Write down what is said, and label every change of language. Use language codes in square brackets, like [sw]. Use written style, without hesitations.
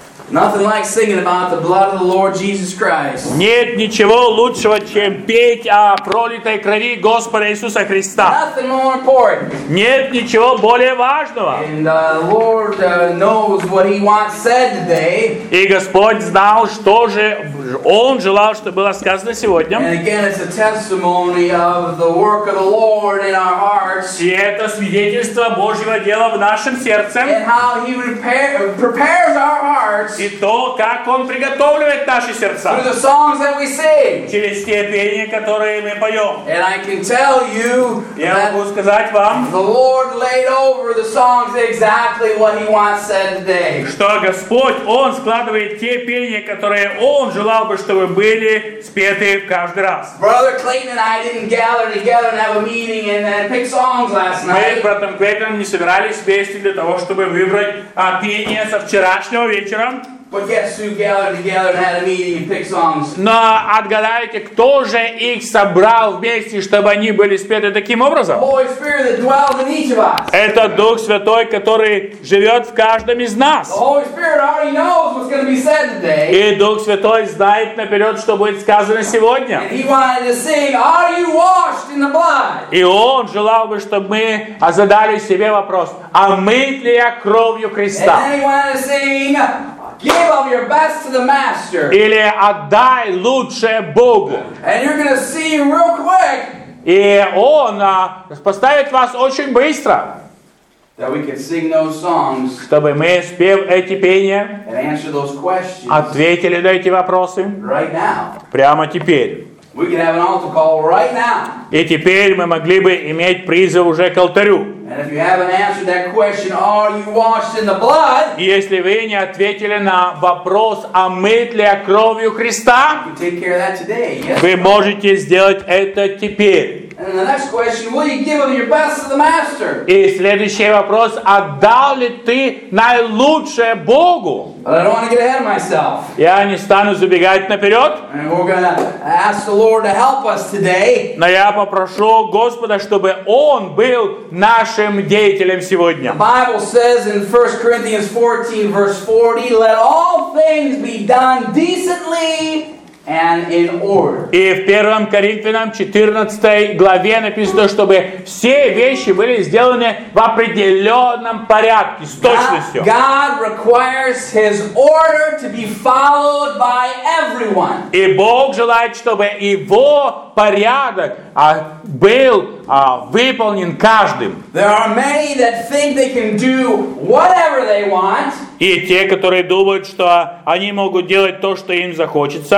[en] Nothing like singing about the blood of the Lord Jesus Christ. [ru] Нет ничего лучшего, чем петь о пролитой крови Господа Иисуса Христа. [en] Nothing more important. [ru] Нет ничего более важного. [en] And the Lord knows what He wants said today. [ru] И Господь знал, что же Он желал, чтобы было сказано сегодня. [en] And again, it's a testimony of the work of the Lord in our hearts. [ru] И это свидетельство Божьего дела в нашем сердце. [en] And how He prepares our hearts. [ru] И то, как Он приготовляет наши сердца. [en] Through the songs that we sing. [ru] Через те пения, которые мы поем. [en] And I can tell you [ru] Я могу сказать вам, [en] the Lord laid over the songs exactly what He wants said today. [ru] Что Господь, Он складывает те пения, которые Он желал бы, чтобы были спеты каждый раз. [en] Brother Clayton and I didn't gather together and have a meeting and then pick songs last night. [ru] Мы, братом Клейтон, не собирались вместе для того, чтобы выбрать пение со вчерашнего вечера. [en] But guess who gathered together and had a meeting and picked songs? [ru] Но отгадайте, кто же их собрал вместе, чтобы они были спеты таким образом? [en] Holy Spirit that dwells in each of us. [ru] Это Дух Святой, который живет в каждом из нас. [en] The Holy Spirit already knows what's going to be said today. [ru] И Дух Святой знает наперед, что будет сказано сегодня. [en] And He wanted to sing, "Are you washed in the blood?" [ru] И Он желал бы, чтобы мы задали себе вопрос: омыт ли я кровью Христа? [en] And He wanted to sing. Give of your best to the master. [ru] Или отдай лучшее Богу. [en] And you're going to see real quick. [ru] И Он поставит вас очень быстро. [en] That we can sing those songs. [ru] Чтобы мы спев эти пения. [en] And answer those questions. [ru] Ответили на эти вопросы. [en] Right now. [ru] Прямо теперь. [en] We can have an altar call right now. [ru] И теперь мы могли бы иметь призыв уже к алтарю. [en] And if you haven't answered that question, are you washed in the blood? [ru] Если вы не ответили на вопрос, омыт ли я кровью Христа, [en] you can take care of that today. Yes. [ru] Вы можете сделать это теперь. [en] And the next question, will you give of your best to the master? [ru] И следующий вопрос, отдал ли ты наилучшее Богу? [en] But I don't want to get ahead of myself. [ru] Я не стану забегать наперед. [en] And we're going to ask the Lord to help us today. [ru] Но я попрошу Господа, чтобы Он был нашим деятелем сегодня. [en] The Bible says in 1 Corinthians 14, verse 40, let all things be done decently. And in order. [ru] И в 1 Коринфянам 14 главе написано, чтобы все вещи были сделаны в определенном порядке, с точностью. [en] God requires His order to be followed by everyone. [ru] И Бог желает, чтобы Его порядок был выполнен каждым. [en] There are many that think they can do whatever they want. [ru] И те, которые думают, что они могут делать то, что им захочется.